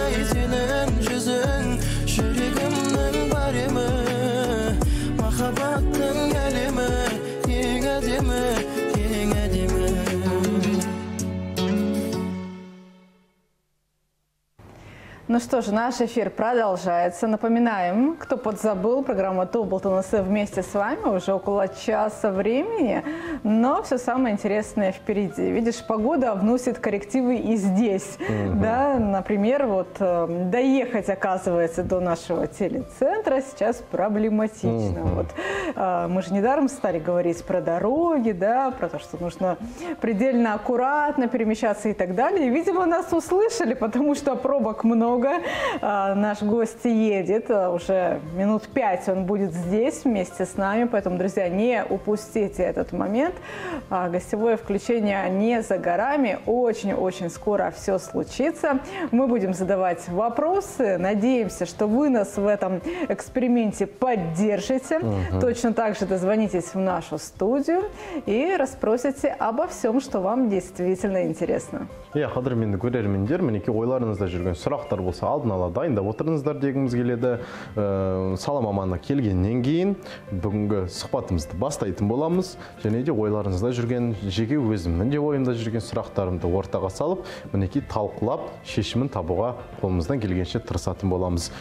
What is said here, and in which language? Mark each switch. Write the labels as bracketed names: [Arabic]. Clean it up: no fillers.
[Kazakh] Сенің жүзің жүрегімнің баремі, махаббаттың әлемі, ең әдемі, ең әдемі. [Russian] Ну что же, наш эфир продолжается. Напоминаем, кто подзабыл, программа «Тублтон СФ» вместе с вами уже около часа времени. Но все самое интересное впереди. Видишь, погода вносит коррективы и здесь. Mm-hmm. Да? Например, вот доехать, оказывается, до нашего телецентра сейчас проблематично. Mm-hmm. Вот, мы же недаром стали говорить про дороги, да, про то, что нужно предельно аккуратно перемещаться и так далее. Видимо, нас услышали, потому что пробок много. Наш гость едет, уже минут пять он будет здесь вместе с нами, поэтому, друзья, не упустите этот момент. Гостевое включение не за горами, очень-очень скоро все случится. Мы будем задавать вопросы, надеемся, что вы нас в этом эксперименте поддержите. Угу. Точно так же дозвонитесь в нашу студию и расспросите обо всем, что вам действительно интересно. [Kazakh] Я хадрминды көрермендер, мінекі ойларыңызда жүрген сұрақтар болса, алдын ала дайындап отырыңыздар дегіміз келеді. Сала маманына келгеннен кейін бүгінгі сұхбатымызды бастайтын боламыз. Және де ойларыңызда жүрген, жеке өзімнің де ойымда жүрген сұрақтарымды ортаға салып, мінекі талқылап шешімін табуға қолымыздан келгенше тырысатын боламыз.